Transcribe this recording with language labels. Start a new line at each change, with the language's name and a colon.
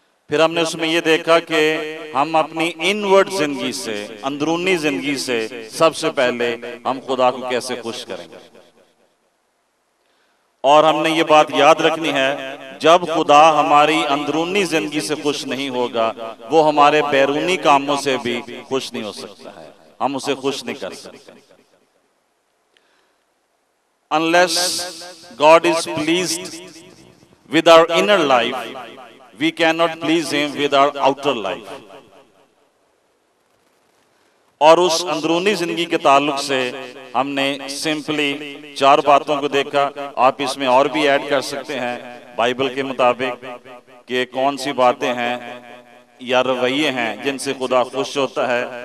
Hindi: फिर हमने उसमें यह देखा कि हम अपनी इनवर्ड जिंदगी से, अंदरूनी जिंदगी से सबसे पहले हम खुदा को कैसे खुश करेंगे। और हमने ये बात याद रखनी है, जब खुदा हमारी अंदरूनी जिंदगी से खुश नहीं होगा, वो हमारे बैरूनी कामों से भी खुश नहीं हो सकता है। हम उसे खुश नहीं कर सकते।
English: Unless God is pleased with our inner life, we cannot please Him with our outer life.
Hindi: और उस अंदरूनी जिंदगी के ताल्लुक से हमने सिंपली चार बातों को देखा। आप इसमें और भी ऐड कर सकते हैं बाइबल के मुताबिक कि कौन सी बातें हैं या रवैये हैं जिनसे खुदा खुश होता है।